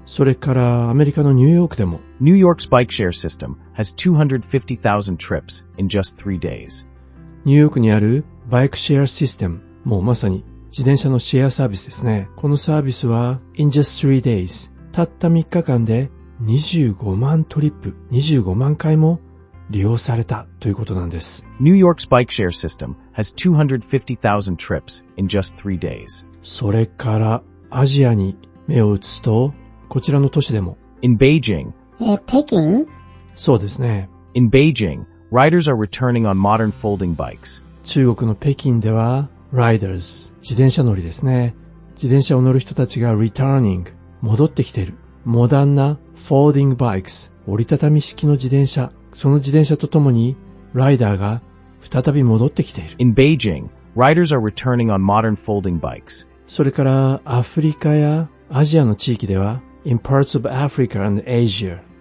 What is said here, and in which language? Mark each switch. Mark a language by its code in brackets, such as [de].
[ja] それからアメリカのニューヨークでも。 [en] New York's bike share system has 250,000 trips in just 3 days. [ja] ニューヨークにあるバイクシェアシステム、もうまさに自転車のシェアサービスですね。このサービスは [en] in just 3 days、 [ja] たった3日間で25万回も利用されたということなんです。 [en] New York's bike share system has 250,000 trips in just 3 days. [ja] それからアジアに目を移すとこちらの都市でも [en] In Beijing [ja] 北京そうですね [en] In Beijing, riders are returning on modern folding bikes [ja] 中国の北京では riders 自転車乗りですね自転車を乗る人たちが returning 戻ってきているモダンな [en] folding bikes [ja] 折りたたみ式の自転車その自転車とともにライダーが再び戻ってきている [en] In BeijingRiders are returning on modern folding bikes. [ja] それからアフリカやアジアの地域では、 [en] In parts of Africa and Asia,